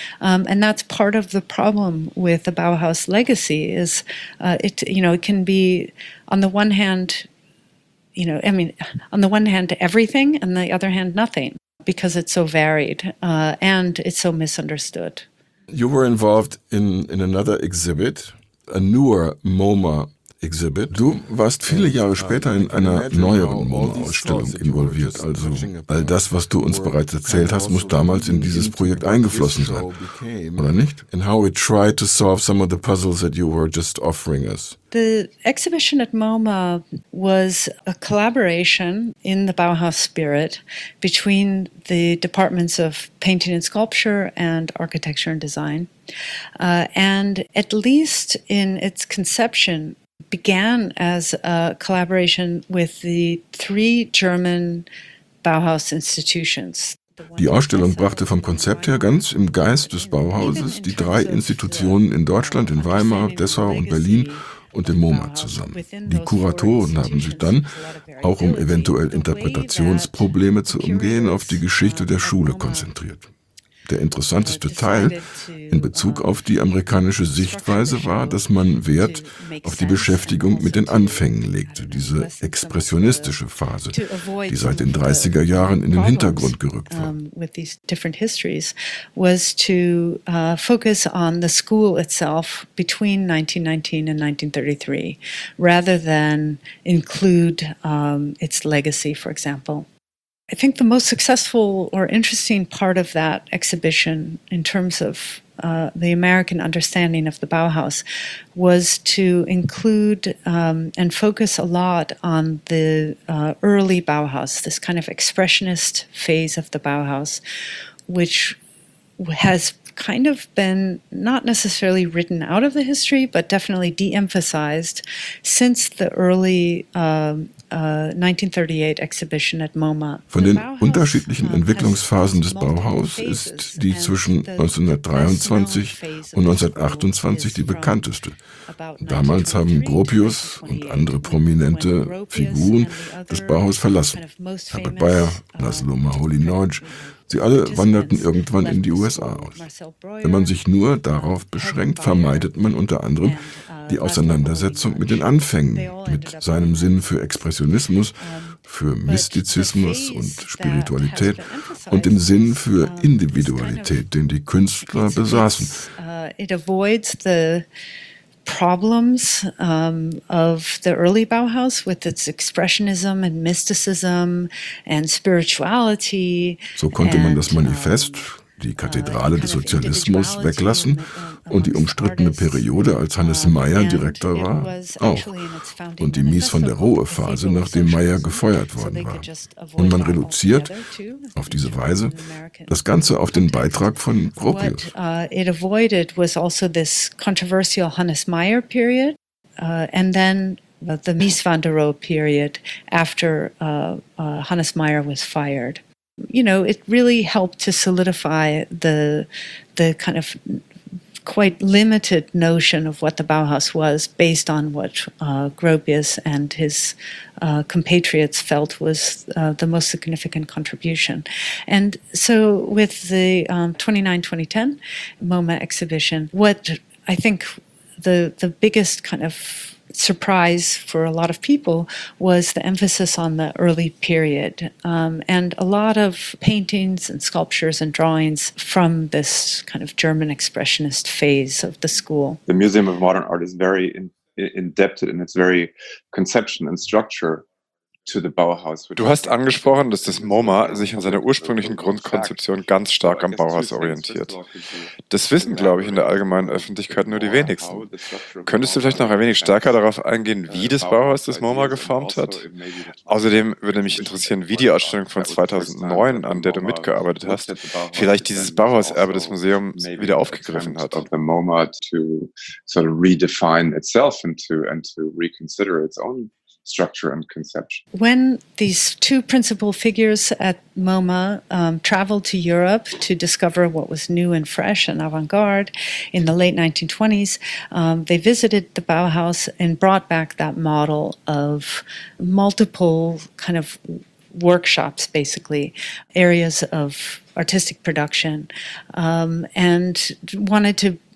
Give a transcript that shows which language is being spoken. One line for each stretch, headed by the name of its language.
English: And that's part of the problem with the Bauhaus legacy is it can be on the one hand, on the one hand everything and the other hand nothing because it's so varied and it's so misunderstood. You were involved in another exhibit, a newer MoMA exhibit.
German: Du warst viele Jahre später in einer neueren MoMA-Ausstellung involviert, also all das, was du uns bereits erzählt hast, muss damals in dieses Projekt eingeflossen sein, oder nicht?
English: And how we tried to solve some of the puzzles that you were just offering us. The exhibition at MoMA was a collaboration in the Bauhaus spirit between the departments of painting and sculpture and architecture and design. And at least in its conception, began as a collaboration with the three German Bauhaus institutions.
German: Die Ausstellung brachte vom Konzept her ganz im Geist des Bauhauses die drei Institutionen in Deutschland, in Weimar, Dessau und Berlin und im MoMA zusammen. Die Kuratoren haben sich dann, auch um eventuell Interpretationsprobleme zu umgehen, auf die Geschichte der Schule konzentriert. Der interessanteste Teil in Bezug auf die amerikanische Sichtweise war, dass man Wert auf die Beschäftigung mit den Anfängen legte, diese expressionistische Phase, die seit den 30er Jahren in den Hintergrund gerückt war.
English: With these different histories was to focus on the school itself between 1919 and 1933 rather than include its legacy, for example. I think the most successful or interesting part of that exhibition in terms of the American understanding of the Bauhaus was to include and focus a lot on the early Bauhaus, this kind of expressionist phase of the Bauhaus, which has kind of been not necessarily written out of the history, but definitely de-emphasized since the early 1938 exhibition at MoMA.
German: Von den unterschiedlichen Entwicklungsphasen des Bauhaus ist die zwischen 1923 und 1928 die bekannteste. Damals haben Gropius und andere prominente Figuren das Bauhaus verlassen. Herbert Bayer, Laszlo Maholy-Nagy, sie alle wanderten irgendwann in die USA aus. Wenn man sich nur darauf beschränkt, vermeidet man unter anderem die Auseinandersetzung mit den Anfängen, mit seinem Sinn für Expressionismus, für Mystizismus und Spiritualität und dem Sinn für Individualität, den die Künstler besaßen.
English: It avoids the problems of the early Bauhaus with its expressionism and mysticism and spirituality.
German: So konnte man das Manifest, die Kathedrale des Sozialismus, weglassen und die umstrittene Periode, als Hannes Meyer Direktor war, auch. Und die Mies van der Rohe Phase, nachdem Meyer gefeuert worden war. Und man reduziert auf diese Weise das Ganze auf den Beitrag von Gropius.
English: What it avoided was also this controversial Hannes Meyer period and then the Mies van der Rohe period after Hannes Meyer was fired. You know, it really helped to solidify the kind of quite limited notion of what the Bauhaus was based on what Gropius and his compatriots felt was the most significant contribution. And so with the 29-2010 MoMA exhibition, what I think the biggest kind of surprise for a lot of people was the emphasis on the early period and a lot of paintings and sculptures and drawings from this kind of German expressionist phase of the school. The Museum of Modern Art is very indebted in its very conception and structure to the Bauhaus.
German: Du hast angesprochen, dass das MoMA sich an seiner ursprünglichen Grundkonzeption ganz stark am Bauhaus orientiert. Das wissen, glaube ich, in der allgemeinen Öffentlichkeit nur die wenigsten. Könntest du vielleicht noch ein wenig stärker darauf eingehen, wie das Bauhaus das MoMA geformt hat? Außerdem würde mich interessieren, wie die Ausstellung von 2009, an der du mitgearbeitet hast, vielleicht dieses Bauhaus-Erbe des Museums wieder aufgegriffen hat.
English: The MoMA to sort of redefine itself and to reconsider its own structure and conception. When these two principal figures at MoMA traveled to Europe to discover what was new and fresh and avant-garde in the late 1920s, they visited the Bauhaus and brought back that model of multiple kind of workshops, basically, areas of artistic production, and wanted to